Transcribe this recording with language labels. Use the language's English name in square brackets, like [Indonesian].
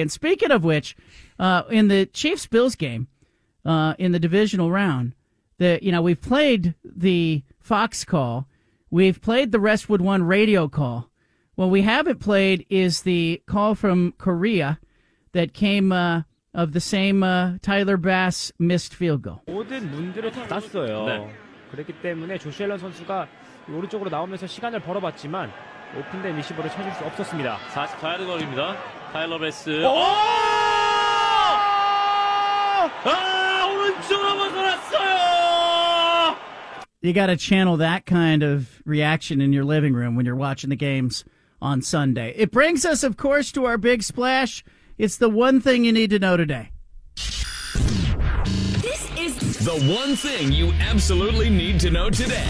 [English] And speaking of which, in the Chiefs-Bills game, in the divisional round, we've played the Fox call. We've played the Westwood One radio call. What we haven't played is the call from Korea that came of the same Tyler Bass missed field goal. [Korean] 모든 문들을 닫았어요. 네. 그렇기 때문에 조셀런 선수가 오른쪽으로 나오면서 시간을 벌어봤지만 오픈된 리시버를 찾을 수 없었습니다. 44야드 거리입니다. 타일러 베스. 오! 아, 오른쪽으로 벗어났어요! [English] You gotta channel that kind of reaction in your living room when you're watching the games on Sunday. It brings us, of course, to our big splash. It's the one thing you need to know today. This is the one thing you absolutely need to know today.